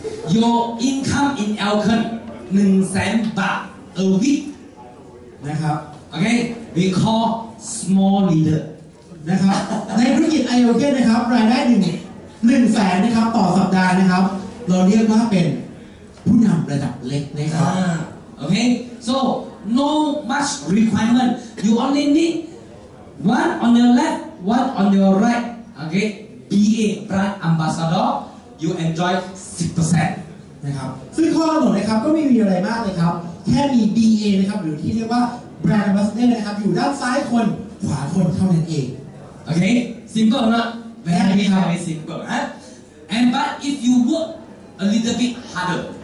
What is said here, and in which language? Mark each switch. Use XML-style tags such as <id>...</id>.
<en>Your income in Elkan, 100,000 baht. A week</en> <th>นะครับ</th> <en>โอเค we call small leader</en> <th>นะครับในธุรกิจ iElkan นะครับรายได้1 แสนนะครับต่อสัปดาห์นะครับเราเรียกว่าเป็นผู้นำระดับเล็กนะครับ</th> <en>โอเค so no much requirement you only need one on your left one on your right okay BA brand ambassador you enjoy 10%</en> <th>นะครับซึ่งข้อกำหนดนะครับก็ไม่มีอะไรมากเลยครับแค่มี BA นะครับหรือที่เรียกว่า Brand Ambassador นะครับอยู่ด้านซ้ายคนขวาคนเท่านั้นเอง</th> <en>โอเค simple</en> <th>นะแบบนี้ครับ</th> <en>simple ฮะ and but if you work a little bit harder</en>